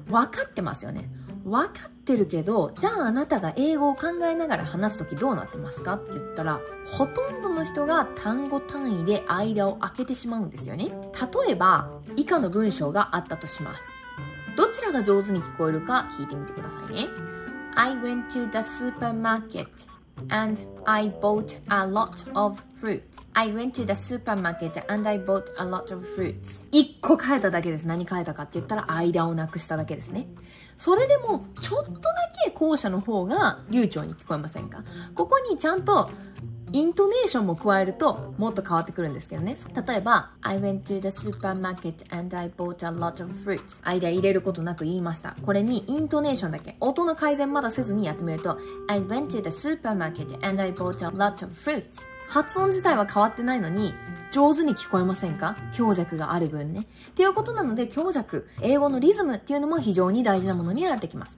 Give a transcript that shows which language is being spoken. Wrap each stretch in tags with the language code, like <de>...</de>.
<ja>分かってますよね。分かってるけど、じゃああなたが英語を考えながら話すときどうなってますかって言ったら、ほとんどの人が単語単位で間を空けてしまうんですよね。例えば以下の文章があったとします。どちらが上手に聞こえるか聞いてみてくださいね。</ja> <en>I went to the supermarket and I bought a lot of fruit. I went to the supermarket and I bought a lot of fruits.</en> <ja>一個変えただけです。何変えたかって言ったら、間をなくしただけですね。それでもちょっとだけ後者の方が流暢に聞こえませんか？ここにちゃんとイントネーションも加えるともっと変わってくるんですけどね。例えば</ja> <en>I went to the supermarket and I bought a lot of fruits。</en> <ja>間入れることなく言いました。これにイントネーションだけ、音の改善まだせずにやってみると、</ja> <en>I went to the supermarket and I bought a lot of fruits。</en> <ja>発音自体は変わってないのに上手に聞こえませんか？強弱がある分ね。っていうことなので、強弱、英語のリズムっていうのも非常に大事なものになってきます。</ja>